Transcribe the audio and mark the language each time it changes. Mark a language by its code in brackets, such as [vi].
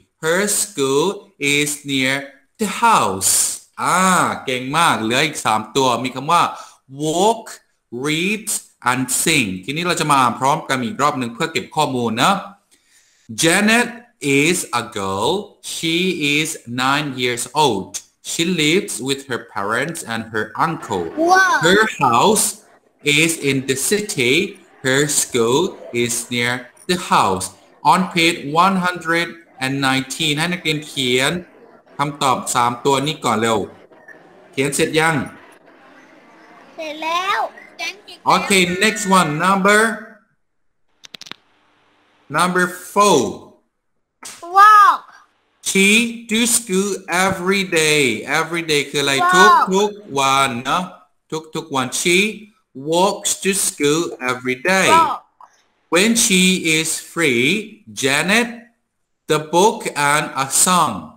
[en] Her school is near the house. [th] เก่งมากเหลืออีก3ตัวมีคำว่าWalk, read, and sing. ทีนี้เราจะมาพร้อมกันอีกรอบหนึ่งเพื่อเก็บข้อมูลนะ [en] Janet is a girl. She is 9 years old. She lives with her parents and her uncle. Her house is in the city. Her school is near the house. On page 119, [th] ให้นักเรียนเขียนคำตอบ3ตัวนี้ก่อนเร็วเขียนเสร็จยัง เสร็จแล้ว [en] Okay, next one. Number four. Walk. She to school every day. Every day [th] คืออะไรทุกวันนะทุกวัน [en] She walks to school every day. Walk. When she is free, Janet, the book and a song.